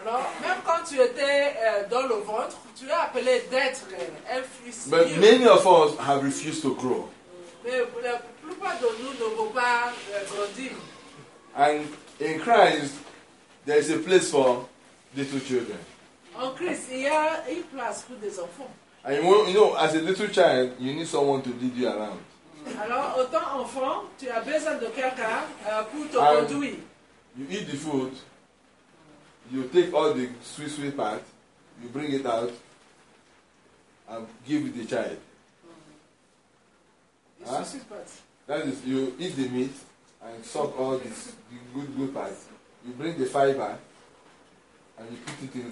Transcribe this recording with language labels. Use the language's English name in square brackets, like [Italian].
[French] Alors, même quand tu étais dans le ventre, tu es appelé d'être un fils. [English] But many of us have refused to grow. [French] Mais la plupart de nous ne vont pas grandir. [English] And in Christ, there is a place for little children. [French] En Christ, il y a une place pour des enfants. [English] And you know, as a little child, you need someone to lead you around. [French] Alors, autant enfant, tu as besoin de quelqu'un pour te conduire. [English] You eat the food. You take all the sweet part, you bring it out, and give it the child. Sweet part. That is, you eat the meat and suck all this, the good part. You bring the fiber, and you put it in.